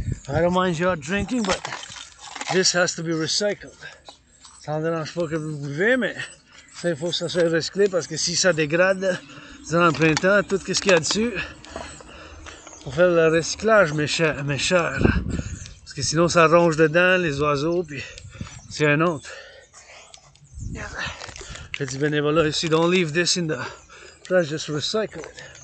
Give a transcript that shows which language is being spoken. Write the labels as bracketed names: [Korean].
[English] I don't mind you are drinking, but this has to be recycled. [French] Ça ne dérange pas que vous buvez, mais... Ça, il faut que ça soit recyclé parce que si ça dégrade durant le printemps, tout ce qu'il y a dessus, pour faire le recyclage, mes chers. Parce que sinon, ça ronge dedans les oiseaux, puis c'est un autre. Fait du bénévolat ici. [English] Don't leave this in the trash, just recycle it.